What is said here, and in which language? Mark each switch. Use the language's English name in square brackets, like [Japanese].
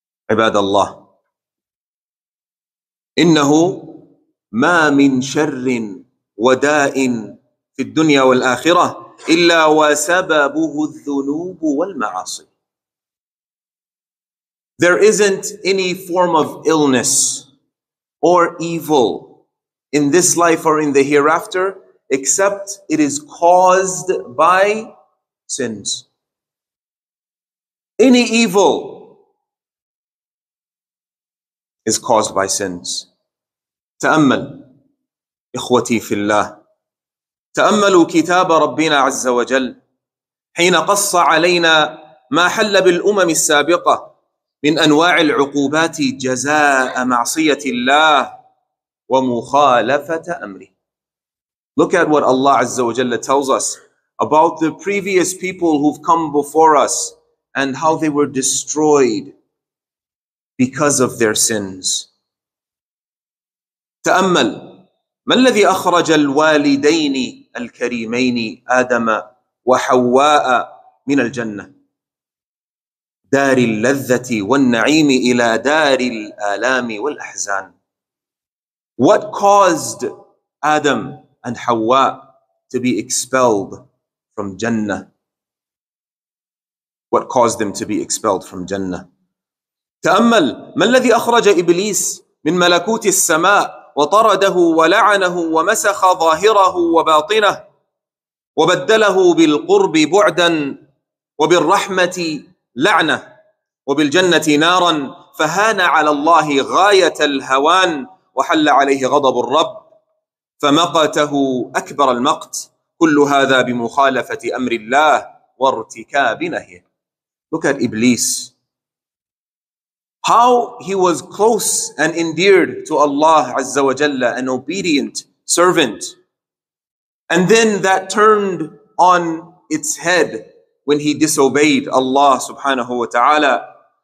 [Arabic] عباد الله إنه ما من شر وداء في الدنيا والآخرة إلا وسببه الذنوب والمعاصي. [English] There isn't any form of illness or evil in this life or in the hereafter except it is caused by sins. Any evil is caused by sins. [Arabic] تأمل إخوتي في الله تأملوا كتاب ربنا عز وجل حين قص علينا ما حل بالأمم السابقة من أنواع العقوبات جزاء معصية الله ومخالفة أمره. [English] Look at what Allah عز وجل tells us about the previous people who've come before us and how they were destroyed because of their sins. [Arabic] تأمل ما الذي أخرج الوالدين الكريمين آدم وحواء من الجنة دار اللذة والنعيم إلى دار الآلام والأحزان. [English] What caused Adam and Hawa to be expelled from Jannah? What caused them to be expelled from Jannah? [Arabic] تأمل ما الذي أخرج إبليس من ملكوت السماء وطرده ولعنه ومسخ ظاهره وباطنه وبدله بالقرب بعدا وبالرحمة لعنة وبالجنة نارا فهان على الله غاية الهوان وحل عليه غضب الرب فمقته أكبر المقت كل هذا بمخالفة أمر الله وارتكاب نهيه. [English] Look at Iblis. How he was close and endeared to Allah Azza wa Jalla, an obedient servant. And then that turned on its head when he disobeyed Allah subhanahu wa ta'ala.